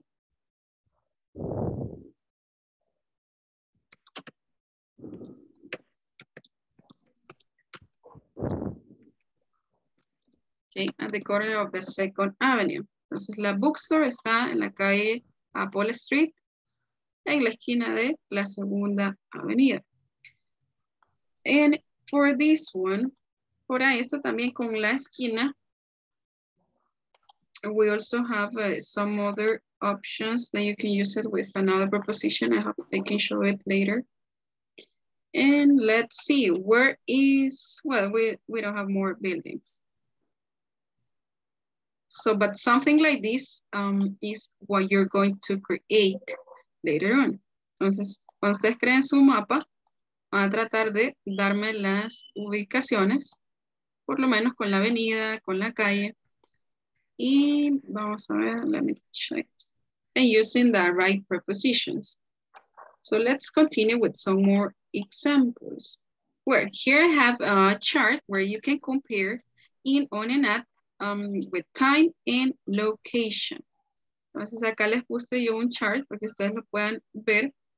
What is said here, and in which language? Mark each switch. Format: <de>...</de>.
<en>Okay, at the corner of the Second Avenue.</en> <es>Entonces, la bookstore está en la calle Apple Street, en la esquina de la Segunda Avenida.</es> <en>And for this one,</en> <es>por ahí esto también con la esquina,</es> <en>we also have some other options that you can use it with another preposition. I can show it later. And let's see, where is, well, we don't have more buildings. So, but something like this is what you're going to create later on.</en> <es>Entonces, cuando ustedes creen su mapa, van a tratar de darme las ubicaciones, por lo menos con la avenida, con la calle. Y vamos a ver,</es> <en>let me check. And using the right prepositions. So let's continue with some more examples. Where? Here I have a chart where you can compare in, on, and at with time and location.</en> <es>Entonces acá les puse yo un chart porque ustedes lo puedan ver.</es>